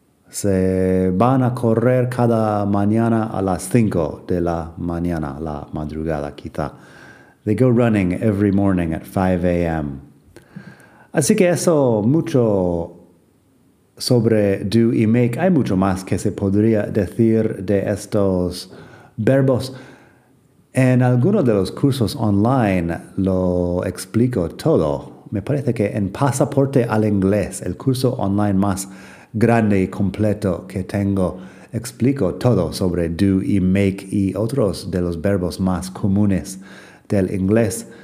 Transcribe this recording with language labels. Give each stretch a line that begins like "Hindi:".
Spanish: Se van a correr cada mañana a las 5 de la mañana, la madrugada quizá.
English: They go running every morning at 5 a.m.
Spanish: Así que eso, mucho sobre do y make. Hay mucho más que se podría decir de estos verbos. En alguno de los cursos online lo explico todo. Me parece que en Pasaporte al Inglés, el curso online más grande y completo que tengo, explico todo sobre do y make y otros de los verbos más comunes del inglés.